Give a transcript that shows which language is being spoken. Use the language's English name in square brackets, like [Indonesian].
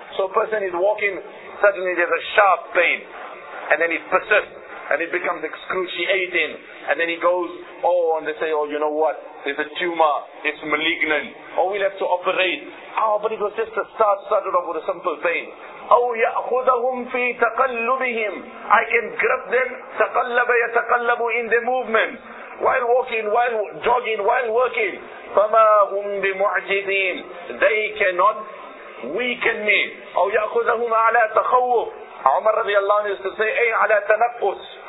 [English] So a person is walking, suddenly there's a sharp pain, and then it persists, and it becomes excruciating, and then he goes, oh, and they say, oh, you know what, there's a tumor, it's malignant, oh, we'll have to operate. Oh, but it was just a start, started off with a simple pain. [Arabic] Oh, يَأْخُذَهُمْ فِي تَقَلُّبِهِمْ. [English] I can grip them, [Arabic] تَقَلَّبَ يَتَقَلَّبُ [English] in their movements, while walking, while jogging, while working. [Arabic] فَمَا هُمْ بِمُعْجِزِينَ. [English] They cannot weaken me. [Arabic] أَوْ يَأْخُذَهُمْ عَلَى تَخَوُّفٍ. [English] Umar radiallahu anhu used to say, [Arabic] "Ay ala tanaffus."